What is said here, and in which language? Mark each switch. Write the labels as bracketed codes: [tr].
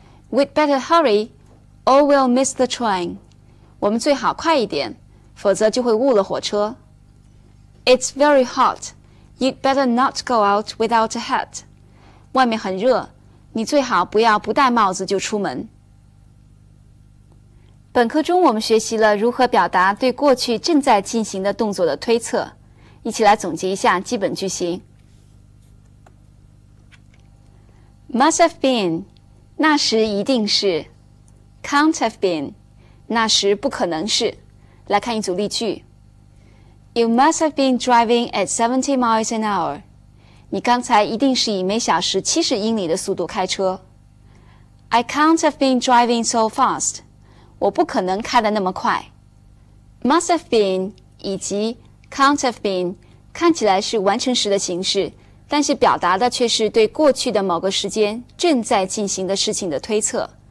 [en] We'd better hurry, or we'll miss the train. [zh] 我们最好快一点，否则就会误了火车。 [en] It's very hot. You'd better not go out without a hat. [zh] 外面很热，你最好不要不戴帽子就出门。本课中我们学习了如何表达对过去正在进行的动作的推测。一起来总结一下基本句型。 [en] Must have been. [zh] 那时一定是。 [en] Can't have been. [zh] 那时不可能是。来看一组例句。 [en] You must have been driving at 70 miles an hour. [zh] 你刚才一定是以每小时70英里的速度开车。 [en] I can't have been driving so fast. [zh] 我不可能开得那么快。 [en] Must have been [zh] 以及 [en] can't have been [zh] 看起来是完成时的形式，但是表达的却是对过去的某个时间正在进行的事情的推测。